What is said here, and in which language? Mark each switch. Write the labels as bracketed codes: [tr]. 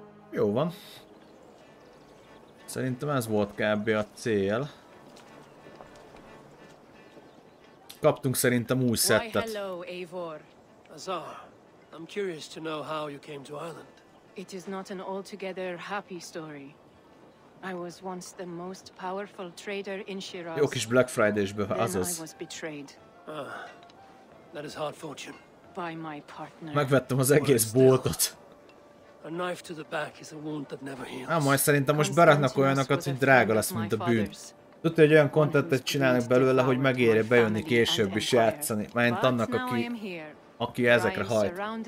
[hu] Jó van. Szerintem ez volt kb. A cél. Kaptunk szerintem új szettet. [en] Why, hello, Eivor. Azar, I'm curious to know how you came to Ireland. It is not an altogether happy story. I was once the most powerful trader in Shiraz. [hu] Jó kis Black Friday-sbe, azaz. [en] Then I was betrayed. That is hard fortune. By my partner. [hu] Megvettem az egész boltot. [en] A knife to the back is a wound that never heals. [hu] Nem, majd szerintem most beratnak olyanokat, hogy drága lesz, mint a bűn. Tudja, hogy olyan kontentet csinálnak belőle, hogy megérje bejönni később is játszani. Mert annak, aki ezekre hajt.